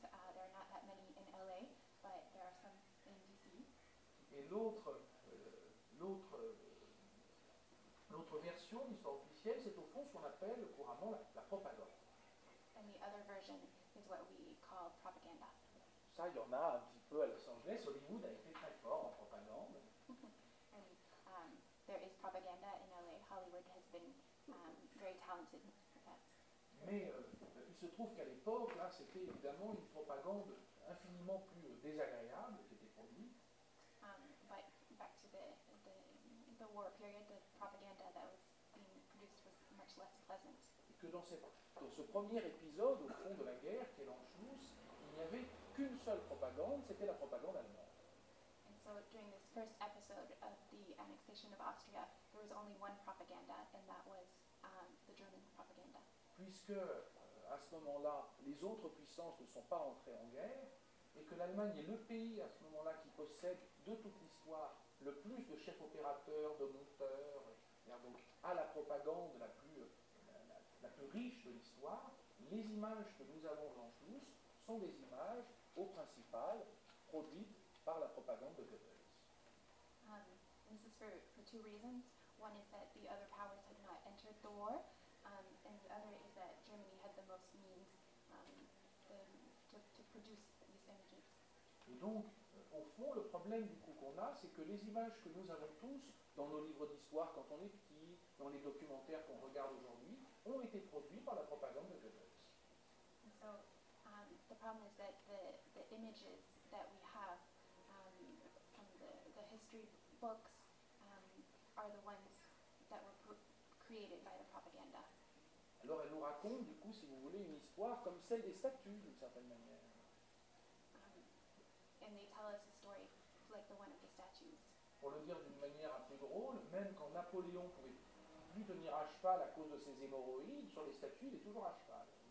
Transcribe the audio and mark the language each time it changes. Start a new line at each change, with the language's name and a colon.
English: There are not that many in LA, but there are some in DC.
French: Et l'autre version de l'histoire officielle, c'est au fond ce qu'on appelle couramment la propagande.
English: And the other version is what we call propaganda.
French: Ça, il y en a un petit peu à Los Angeles. Hollywood a été très fort en propagande.
English: And there is propaganda in LA. Hollywood has been very talented for that.
French: Mais il se trouve qu'à l'époque, là, c'était évidemment une propagande infiniment plus désagréable qui était produite.
English: But back to the war period, the propaganda that was being produced was much less pleasant.
French: Et que dans ce premier épisode, au fond de la guerre, qui est l'Anschluss, il n'y avait qu'une seule propagande, c'était la propagande allemande.
English: And so during this first episode of the annexation of Austria, there was only one propaganda, and that was the German propaganda.
French: Puisque, à ce moment-là, les autres puissances ne sont pas entrées en guerre, et que l'Allemagne est le pays, à ce moment-là, qui possède de toute l'histoire le plus de chefs opérateurs, de monteurs, donc à la propagande la plus riche de l'histoire, les images que nous avons en tous sont des images au principal produites par la propagande de Goebbels.
English: This is for two reasons. One is that the other powers had not entered the war, and the other is that Germany had the most means to produce these images.
French: Et donc, au fond, le problème du coup qu'on a, c'est que les images que nous avons tous dans nos livres d'histoire quand on est petit, dans les documentaires qu'on regarde aujourd'hui, ont été produits par la propagande de Goebbels.
English: So, the problem is that the images that we have from the history books are the ones that were created by the propaganda.
French: Alors elle nous raconte, du coup, si vous voulez, une histoire comme celle des statues, d'une certaine manière.
English: And they tell us a story like the one of the statues.
French: Pour le dire d'une manière un peu drôle, même quand Napoléon pouvait plus tenir à cheval à cause de ses hémorroïdes, sur les statues, il est toujours à cheval.